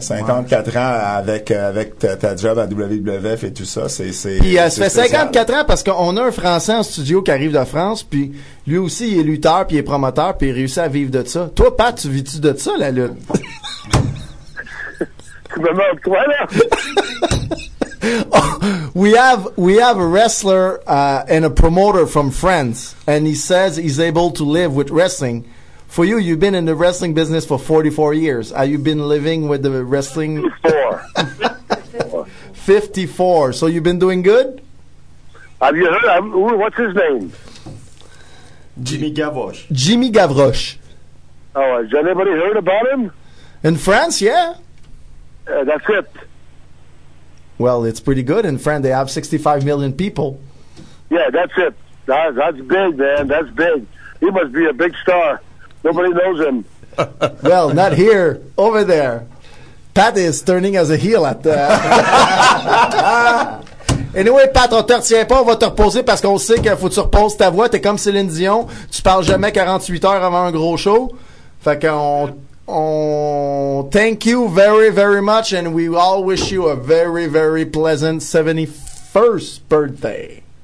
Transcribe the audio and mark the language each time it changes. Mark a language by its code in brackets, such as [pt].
[fr] 54 ans avec ta job à WWF et tout ça, c'est. Puis ça fait 54 ans parce qu'on a un Français en studio qui arrive de France, puis lui aussi il est lutteur, puis il est promoteur, puis il réussit à vivre de ça. Toi, Pat, tu vis-tu de ça, la lutte? Tu me demandes quoi là? [en] Oh, we have a wrestler and a promoter from France, and he says he's able to live with wrestling. For you, you've been in the wrestling business for 44 years. Have you been living with the wrestling? 54. 54. So you've been doing good? Have you heard? What's his name? Jimmy Gavroche. Oh, has anybody heard about him? In France, yeah. That's it. Well, it's pretty good in France. They have 65 million people. Yeah, that's it. That's big, man. That's big. He must be a big star. Nobody knows him. Well, not here. Over there. Pat is turning as a heel at the... [fr] Anyway, Pat, on te retient pas. On va te reposer parce qu'on sait qu'il faut que tu reposes ta voix. T'es comme Céline Dion. Tu parles jamais 48 heures avant un gros show. Fait qu'on [en] thank you very, very much. And we all wish you a very, very pleasant 71st birthday.